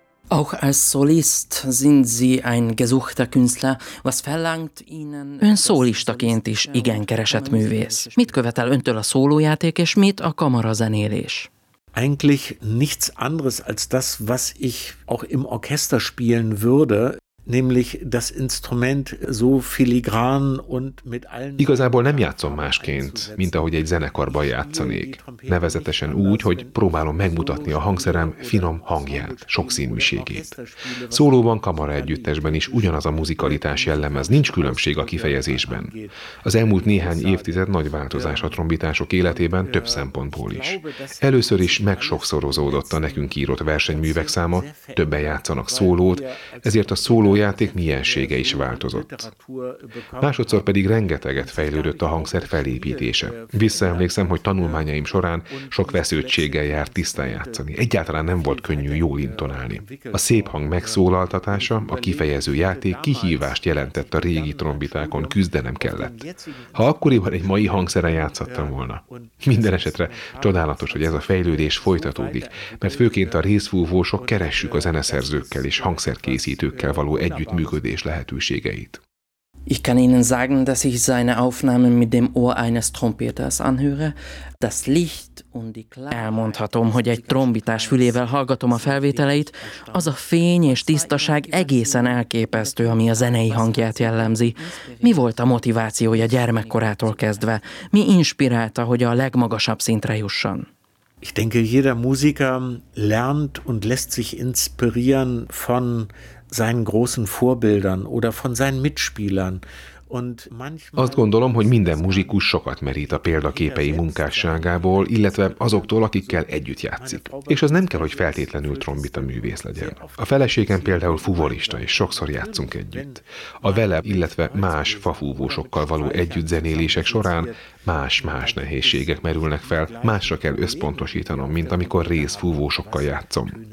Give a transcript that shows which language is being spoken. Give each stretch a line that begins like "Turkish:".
German: Auch als Solist sind Sie ein gesuchter Künstler. Was verlangt Ihnen...
Hungarian: Ön szólistaként is igen keresett művész. Mit követel Öntől a szólójáték, és mit a kamarazenélés?
German: Eigentlich nichts anderes als das, was ich auch im Orchester spielen würde, nämlich das Instrument so filigran und mit allen...
Hungarian: Igazából nem játszom másként, mint ahogy egy zenekarban játszanék. Nevezetesen úgy, hogy próbálom megmutatni a hangszerem finom hangját, sokszínűségét. Szólóban, kamaraegyüttesben is ugyanaz a muzikalitás jellemez, nincs különbség a kifejezésben. Az elmúlt néhány évtized nagy változás a trombitások életében több szempontból is. Először is megsokszorozódott a nekünk írott versenyművek száma, többen játszanak szólót, ezért a szóló játék miensége is változott. Másodszor pedig rengeteget fejlődött a hangszer felépítése. Visszaemlékszem, hogy tanulmányaim során sok vesződtséggel járt tisztán játszani. Egyáltalán nem volt könnyű jól intonálni. A szép hang megszólaltatása, a kifejező játék kihívást jelentett a régi trombitákon, küzdenem kellett. Ha akkoriban egy mai hangszeren játszhattam volna. Minden esetre csodálatos, hogy ez a fejlődés folytatódik, mert főként a részfúvósok keressük a zeneszerzőkkel és hangszerkészítőkkel való együttműködés lehetőségeit.
German: Ich kann Ihnen sagen, dass ich seine Aufnahmen mit dem Ohr eines Trompeters anhöre. Das Licht und die Klarheit.
Hungarian: Elmondhatom, hogy egy trombitás fülével hallgatom a felvételeit, az a fény és tisztaság egészen elképesztő, ami a zenei hangját jellemzi. Mi volt a motivációja gyermekkorától kezdve? Mi inspirálta, hogy a legmagasabb szintre jusson?
German: Ich denke, jeder Musiker lernt und lässt sich inspirieren von seinen großen Vorbildern oder von seinen Mitspielern.
Hungarian: Azt gondolom, hogy minden muzsikus sokat merít a példaképei munkásságából, illetve azoktól, akikkel együtt játszik. És az nem kell, hogy feltétlenül trombita művész legyen. A feleségem például fuvolista, és sokszor játszunk együtt. A vele, illetve más fafúvósokkal való együttzenélések során más-más nehézségek merülnek fel, másra kell összpontosítanom, mint amikor részfúvósokkal játszom.